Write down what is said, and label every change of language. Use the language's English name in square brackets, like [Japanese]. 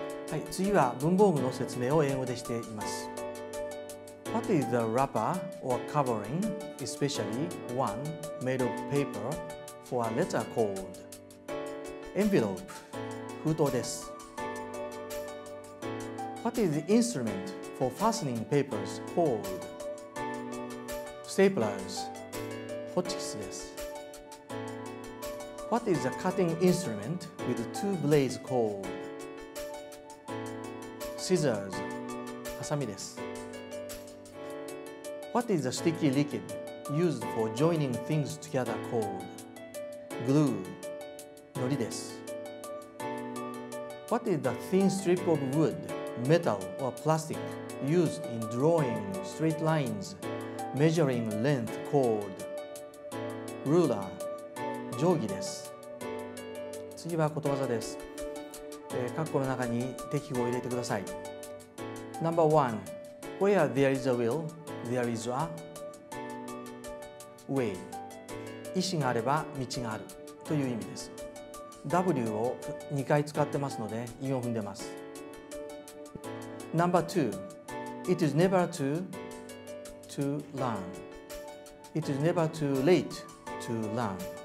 [Japanese] はい、次は文房具の説明を英語でしています。 [English] What is the wrapper or covering, especially one made of paper for a letter called? [Japanese] Envelope. 封筒です。 [English] What is the instrument for fastening papers called? [Japanese] Staplers. ホチキスです。 [English] What is a cutting instrument with two blades called? [Japanese] Scissors. ハサミです。 [English] What is a sticky liquid used for joining things together called? Glue. [Japanese] のりです。 [English] What is a thin strip of wood, metal or plastic used in drawing straight lines, measuring length called? Ruler. [Japanese] 定規です。次はことわざです。括弧の中に適語を入れてください。 [English] Number one, where there is a will, there is a way. [Japanese] 意思があれば道があるという意味です。W を2回使ってますので、韻を踏んでます。 [English] Number two, it is never too learn. It is never too late to learn.